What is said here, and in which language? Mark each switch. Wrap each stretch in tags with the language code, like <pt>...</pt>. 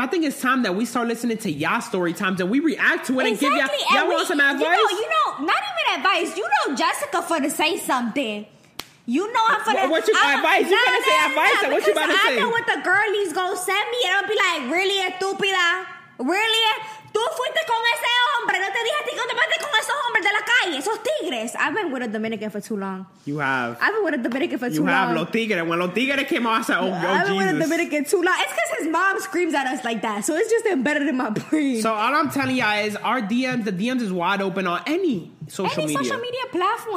<en>I think it's time that we start listening to y'all story times and we react to it. Exactly. And give y'all, and y'all we, want some advice? You know, not even advice. You know Jessica for to say something. You know I'm for to... What's your advice? You're going to say advice? What you about to say? I know what the girlies going to send me and I'll be like, really, estúpida? Really?</en> <es>Tú fuiste con ese hombre. No te dije a ti que te metes con esos hombres de la calle. Esos tigres.</es> <en>I've been with a Dominican for too long. You have. I've been with a Dominican for you too long. You have.</en> <es>Los tigres.</es> <en>When</en> <es>los tigres</es> <en>came out, I said, oh, Jesus. I've been with a Dominican too long. It's because his mom screams at us like that. So it's just embedded in my brain. So all I'm telling y'all is our DMs, the DMs is wide open on any social any media. Any social media platform.</en>